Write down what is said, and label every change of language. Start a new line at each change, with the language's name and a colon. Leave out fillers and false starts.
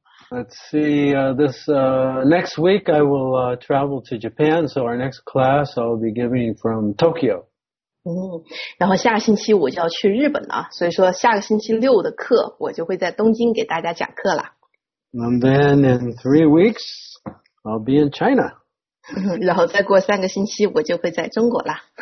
English: Let's see, next week I will travel to Japan, so our next class I'll be giving from Tokyo.
Chinese: 然后下个星期我就要去日本了，所以说下个星期六的课我就会在东京给大家讲课了。
English: And then in 3 weeks I'll be in China.
Chinese: 然后再过三个星期我就会在中国了。